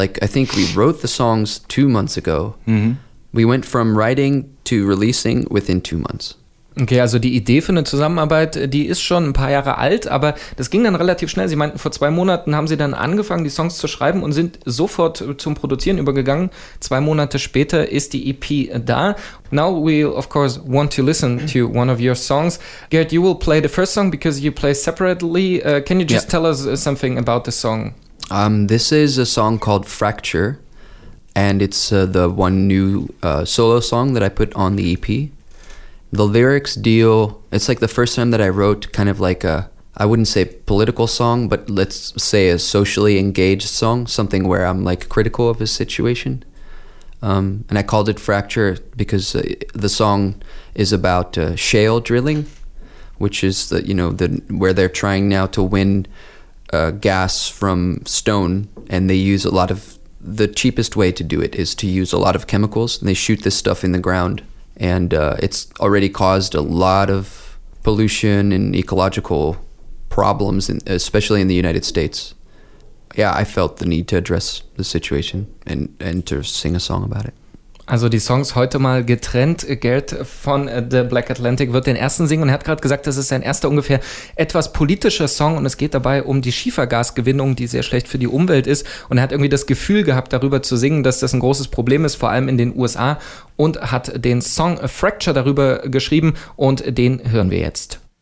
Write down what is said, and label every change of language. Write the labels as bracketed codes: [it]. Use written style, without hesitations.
[en] Like, I think we wrote the songs 2 months ago. Mm-hmm. We went from writing to releasing within 2 months. [de] Okay, also die Idee für eine Zusammenarbeit, die ist schon ein paar Jahre alt, aber das ging dann relativ schnell. Sie meinten, vor 2 Monaten haben sie dann angefangen, die Songs zu schreiben und sind sofort zum Produzieren übergegangen. 2 Monate später ist die EP da. [en] Now we, of course, want to listen to one of your songs. Gerd, you will play the first song because you play separately. Can you just tell us something about the song? This is a song called Fracture. And it's the one new solo song that I put on the EP. The lyrics deal, it's like the first time that I wrote kind of like a, I wouldn't say political song, but let's say a socially engaged song, something where I'm like critical of a situation. And I called it Fracture because the song is about shale drilling, which is where they're trying now to win gas from stone, and they use a lot of, the cheapest way to do it is to use a lot of chemicals, and they shoot this stuff in the ground, and it's already caused a lot of pollution and ecological problems, especially in the United States. Yeah, I felt the need to address the situation and to sing a song about it. [de] Also die Songs heute mal getrennt. Gerd von The Black Atlantic wird den ersten singen und hat gerade gesagt, das ist sein erster ungefähr etwas politischer Song und es geht dabei um die Schiefergasgewinnung, die sehr schlecht für die Umwelt ist. Und er hat irgendwie das Gefühl gehabt, darüber zu singen, dass das ein großes Problem ist, vor allem in den USA, und hat den Song A Fracture darüber geschrieben und den hören wir jetzt.